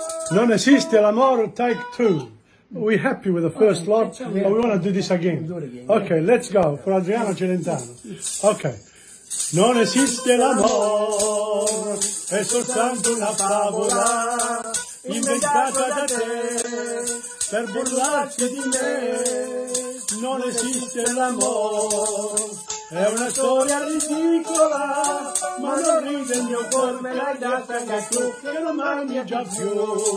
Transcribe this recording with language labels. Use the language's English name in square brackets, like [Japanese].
[Italian] Non esiste l'amore, [English] take two. We happy with the first lot, but we want to do this again. Okay, let's go for Adriano Celentano. Okay. [Italian] Non esiste l'amore, è soltanto una favola inventata da te per burlarti di me. Non esiste l'amore, è una storia ridicola, ma non ride il mio cuore, me l'hai data anche tu, che non mangi già più.